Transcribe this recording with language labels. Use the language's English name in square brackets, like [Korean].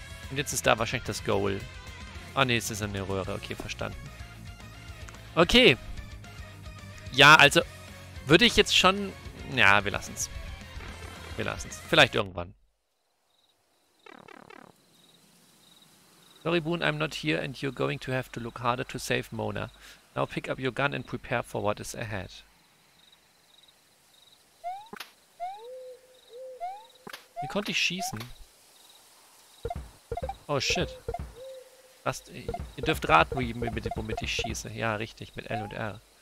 [German] Und jetzt ist da wahrscheinlich das Goal. Ah ne, es ist eine Röhre. Okay, verstanden. Okay. Ja, also würde ich jetzt schon... Ja, wir lassen es. Wir lassen es. Vielleicht irgendwann. [English] Sorry, Boone, I'm not here and you're going to have to look harder to save Mona. Now pick up your gun and prepare for what is ahead. [German] Wie konnte ich schießen? Oh, shit. Was? Ihr dürft raten, womit ich schieße. Ja, richtig, mit L und R.